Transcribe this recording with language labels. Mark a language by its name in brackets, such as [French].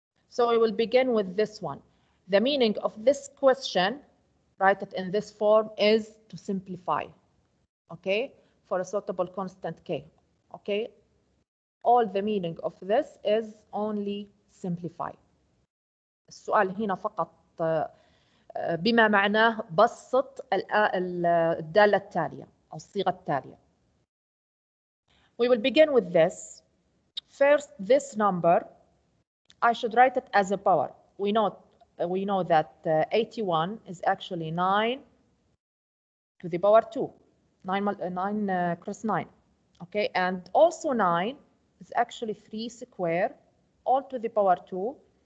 [English] So we will begin with this one. The meaning of this question, write it in this form, is to simplify, okay, for a suitable constant k, okay? All the meaning of this is only simplify. [Arabic] السؤال هنا فقط بما معناه بسط الدالة التالية أو الصيغة التالية. [English] We will begin with this. First, this number, I should write it as a power. We know that 81 is actually 9 to the power 2. 9 cross 9. Okay, and also 9 is actually 3 square all to the power 2.